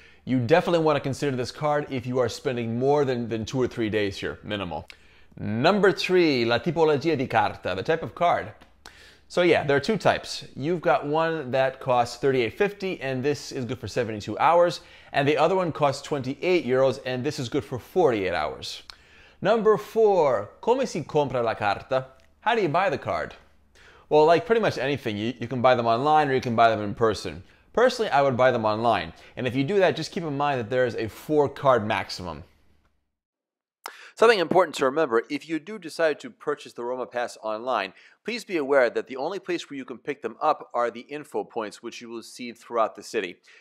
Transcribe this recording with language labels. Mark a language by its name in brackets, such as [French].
[English] You definitely want to consider this card if you are spending more than 2 or 3 days here, minimal. Number three, [Italian] la tipologia di carta, [English] the type of card. So yeah, there are two types. You've got one that costs €38.50, and this is good for 72 hours, and the other one costs €28, and this is good for 48 hours. Number four, [Italian] come si compra la carta? [English] How do you buy the card? Well, like pretty much anything, you can buy them online or you can buy them in person. Personally, I would buy them online. And if you do that, just keep in mind that there is a 4-card maximum. Something important to remember, if you do decide to purchase the Roma Pass online, please be aware that the only place where you can pick them up are the info points, which you will see throughout the city.